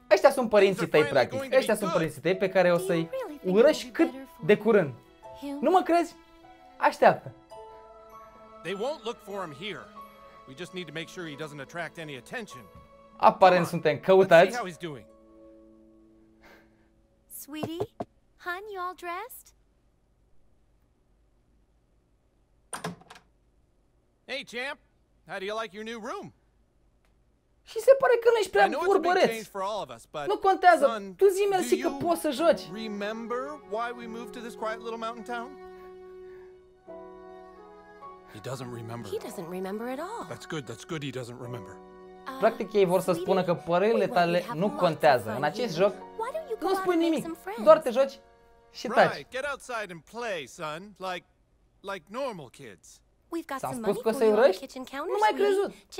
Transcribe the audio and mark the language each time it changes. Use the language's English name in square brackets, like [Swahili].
[Romanian] Ăștia sunt părinții tăi, practic. Ăștia sunt părinții tăi pe care o să-i urăști cât de curând. Nu mă crezi? Așteaptă. [English] They won't look for him here. We just need to make sure he doesn't attract any attention. [Romanian] Aparent suntem căutați. [English] Sweetie, hun, you all dressed? Hey, champ. How do you like your new room? [Romanian] Și se pare că nu ești prea burbăreț. Nu contează, tu zi mersi că poți să joci. [English] Remember why we moved to this quiet little mountain town? He doesn't remember at all. That's good he doesn't remember. [Romanian] Practic ei vor să spună că părerile tale nu contează. În acest joc nu spui nimic, doar te joci și taci. [English] Right, get outside and play, son, like normal kids. We've got some money for the kitchen counter. [Romanian] Nu mai crezut.